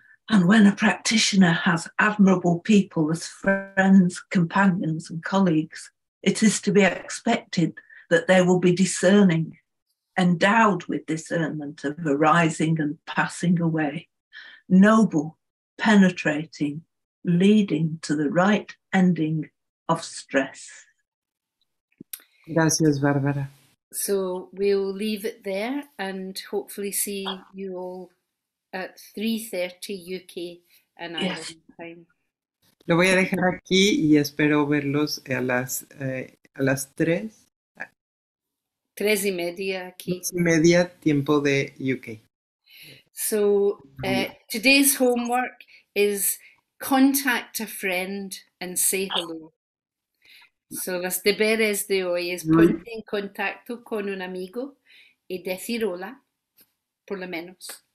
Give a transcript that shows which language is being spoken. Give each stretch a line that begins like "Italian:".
English: And when a practitioner has admirable people as friends, companions, and colleagues, it is to be expected that they will be discerning, endowed with discernment of arising and passing away, noble, penetrating, leading to the right ending of stress.
Spanish: Gracias, Barbara.
English: So we'll leave it there and hopefully see you all at 3:30 UK and Ireland time.
Spanish: Lo voy a dejar aquí y espero verlos a las 3. 3 y media aquí. 3 y media, tiempo de UK.
English: So, today's homework is contact a friend and say hello.
Spanish: So, los deberes de hoy es ponte en contacto con un amigo y decir hola, por lo menos.